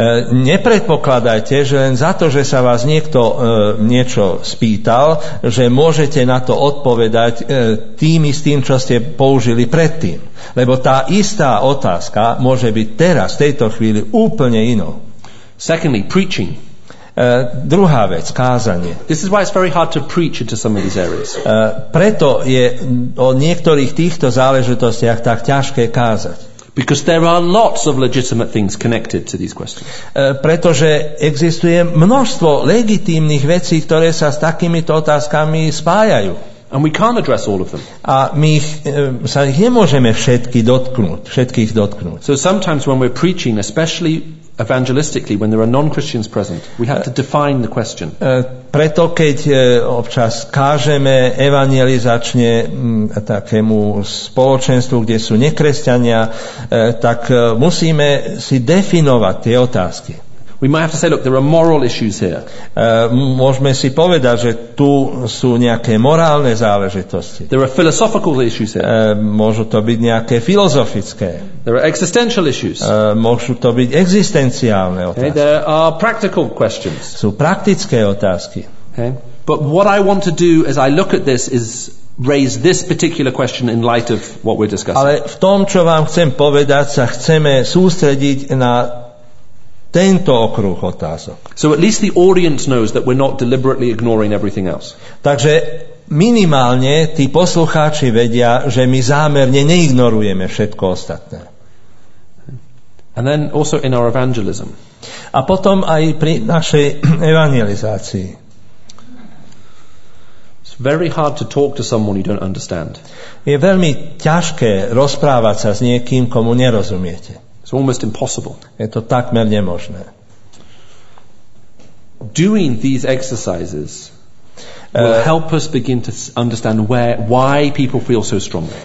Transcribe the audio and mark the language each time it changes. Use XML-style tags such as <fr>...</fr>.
<sk>Nepredpokladajte, že len za to, že sa vás niekto niečo spýtal, že môžete na to odpovedať tým istým, čo ste použili predtým. Lebo tá istá otázka môže byť teraz, v tejto chvíli, úplne inou.</sk> <en>Secondly, preaching.</en> <sk>Druhá vec, kázanie.</sk> <en>This is why it's very hard to preach into some of these areas.</en> <sk>Preto je o niektorých týchto záležitostiach tak ťažké kázať.</sk> <en>Because there are lots of legitimate things connected to these questions.</en> <sk>Pretože existuje množstvo legitímnych vecí, ktoré sa s takýmito otázkami spájajú.</sk> <en>And we can't address all of them.</en> <sk>A my sa ich nemôžeme všetkých dotknúť.</sk> <en>So sometimes when we're preaching, especially evangelistically, when there are non-Christians present, we have to define the question.</en> <sk>Preto keď občas kážeme evangelizačne takému spoločenstvu, kde sú nekresťania, tak musíme si definovať tie otázky.</sk> <en>We might have to say, look, there are moral issues here.</en> <sk>Môžeme si povedať, že tu sú nejaké morálne záležitosti.</sk> <en>There are philosophical issues here.</en> <sk>Môžu to byť nejaké filozofické.</sk> <en>There are existential issues.</en> <sk>Môžu to byť existenciálne otázky.</sk> <en>Okay, there are practical questions.</en> <sk>Sú praktické otázky.</sk> <en>Okay. But what I want to do as I look at this is raise this particular question in light of what we're discussing.</en> <sk>Ale v tom, čo vám chcem povedať, sa chceme sústrediť na tento okruh otázok.</sk> <en>So at least the audience knows that we're not deliberately ignoring everything else.</en> <sk>Takže minimálne tí poslucháči vedia, že my zámerne neignorujeme všetko ostatné.</sk> <en>And then also in our evangelism.</en> <sk>A potom aj pri našej evangelizácii.</sk> <en>It's very hard to talk to someone you don't understand.</en> <sk>Je veľmi ťažké rozprávať sa s niekým, komu nerozumiete.</sk> <en>It's almost impossible.</en> <sk>Je to takmer nemožné.</sk> <en>Doing these exercises will help us begin to understand why people feel so strongly.</en>